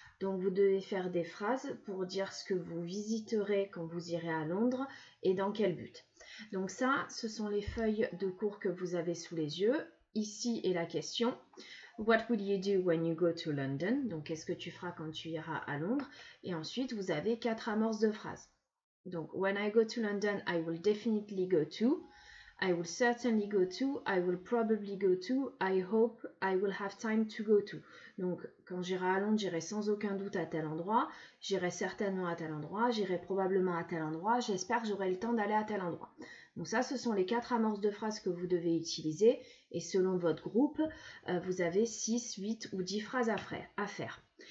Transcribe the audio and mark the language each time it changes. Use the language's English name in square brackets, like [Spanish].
[French] Donc vous devez faire des phrases pour dire ce que vous visiterez quand vous irez à Londres et dans quel but. Donc ça, ce sont les feuilles de cours que vous avez sous les yeux. Ici est la question. [English] What will you do when you go to London? [French] Donc qu'est-ce que tu feras quand tu iras à Londres? Et ensuite, vous avez quatre amorces de phrases. [English] Donc, when I go to London, I will definitely go to, I will certainly go to, I will probably go to, I hope I will have time to go to. [French] Donc, quand j'irai à Londres, j'irai sans aucun doute à tel endroit, j'irai certainement à tel endroit, j'irai probablement à tel endroit, j'espère que j'aurai le temps d'aller à tel endroit. Donc ça, ce sont les quatre amorces de phrases que vous devez utiliser et selon votre groupe, vous avez 6, 8 ou 10 phrases à faire.